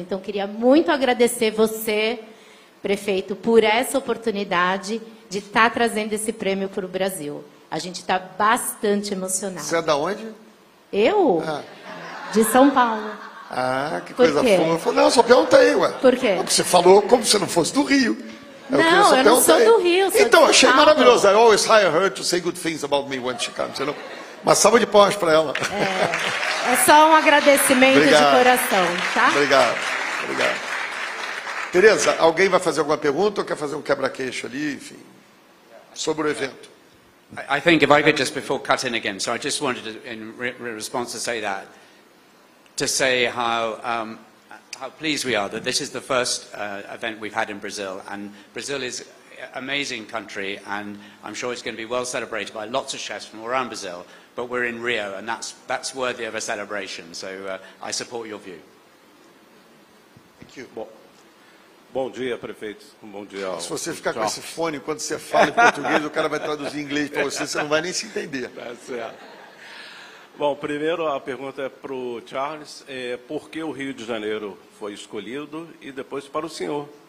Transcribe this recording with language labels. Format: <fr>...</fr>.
<pt>Então, queria muito agradecer você, prefeito, por essa oportunidade de estar trazendo esse prêmio para o Brasil. A gente está bastante emocionado. Você é da onde? Eu? Ah. De São Paulo. Ah, que coisa fofa. Não, só perguntei, ué. Por quê? Porque você falou como se não fosse do Rio. Eu não sou do Rio, sou então, de achei Paulo. Maravilhoso.</pt> <en>I always hire her to say good things about me when she comes. You know?</en> <pt>Uma salva de palmas para ela. É só um agradecimento obrigado. De coração, tá? Obrigado. Tereza, alguém vai fazer alguma pergunta ou quer fazer um quebra-queixo ali, enfim, sobre o evento?</pt> <en>I think if I could just before cut in again, so I just wanted to, in response to say that, to say how pleased we are that this is the first event we've had in Brazil, and Brazil is an amazing country, and I'm sure it's going to be well celebrated by lots of chefs from around Brazil, but we're in Rio, and that's worthy of a celebration, so I support your view. Thank you.</en> <pt>Bom dia, prefeito. Bom dia. Se você ficar com esse fone enquanto você fala em português, o cara vai traduzir em inglês para você, você não vai nem se entender. Tá certo. Bom, primeiro a pergunta é para o Charles, por que o Rio de Janeiro foi escolhido e depois para o senhor?</pt>